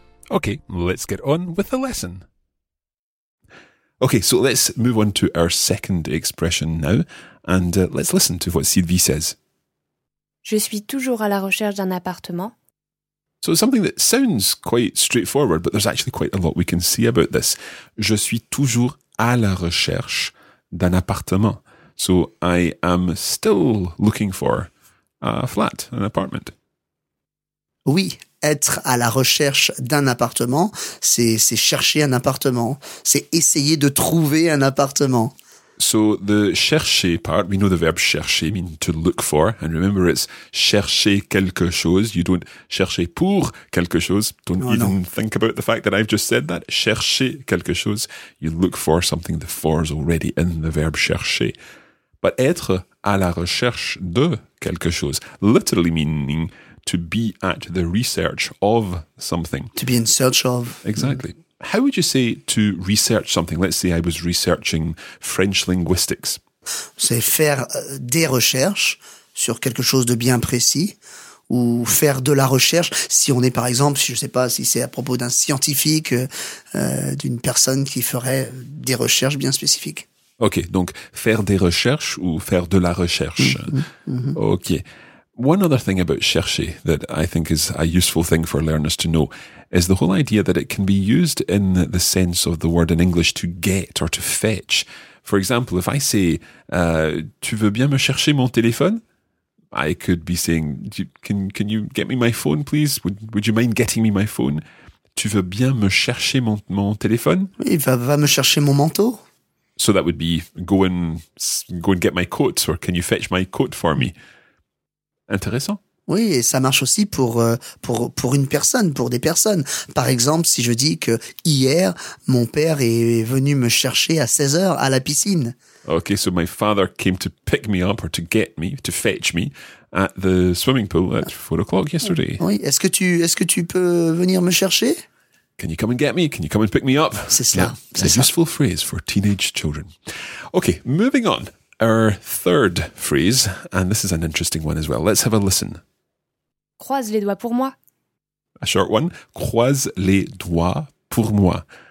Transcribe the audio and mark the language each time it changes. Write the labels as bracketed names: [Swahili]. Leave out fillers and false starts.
[English] Okay, let's get on with the lesson. Okay, so let's move on to our second expression now, and let's listen to what Sylvie says. [French] Je suis toujours à la recherche d'un appartement. [English] So it's something that sounds quite straightforward, but there's actually quite a lot we can see about this. [French] Je suis toujours à la recherche d'un appartement. [English] So I am still looking for a flat, an apartment. [French] Oui. Être à la recherche d'un appartement, c'est chercher un appartement. C'est essayer de trouver un appartement. [English] So the chercher part, we know the verb chercher means to look for. And remember, it's [French] chercher quelque chose. [English] You don't [French] chercher pour quelque chose. [English] Think about the fact that I've just said that. [French] Chercher quelque chose. [English] You look for something, the for is already in the verb chercher. But [French] être à la recherche de quelque chose, [English] literally meaning to be at the research of something. To be in search of. Exactly. Mm. How would you say to research something? Let's say I was researching French linguistics. [French] C'est faire des recherches sur quelque chose de bien précis ou faire de la recherche. Si on est, par exemple, je ne sais pas si c'est à propos d'un scientifique, d'une personne qui ferait des recherches bien spécifiques. OK, donc faire des recherches ou faire de la recherche. Mm-hmm. OK. [English] One other thing about chercher that I think is a useful thing for learners to know is the whole idea that it can be used in the sense of the word in English to get or to fetch. For example, if I say, [French] tu veux bien me chercher mon téléphone? [English] I could be saying, can you get me my phone, please? Would you mind getting me my phone? [French] Tu veux bien me chercher mon téléphone? Oui, va me chercher mon manteau. [English] So that would be, go and get my coat, or can you fetch my coat for me? [French] Intéressant. Oui, et ça marche aussi pour une personne, pour des personnes. Par exemple, si je dis que hier, mon père est venu me chercher à 16h à la piscine. [English] Okay, so my father came to pick me up or to get me, to fetch me at the swimming pool at 4 o'clock yesterday. [French] Oui, est-ce que tu peux venir me chercher? [English] Can you come and get me? Can you come and pick me up? [French] C'est cela. [English] Yeah, it's a useful phrase for teenage children. Okay, moving on. Our third phrase, and this is an interesting one as well. Let's have a listen. [French] Croise les doigts pour moi. [English] A short one. [French] Croise les doigts pour moi.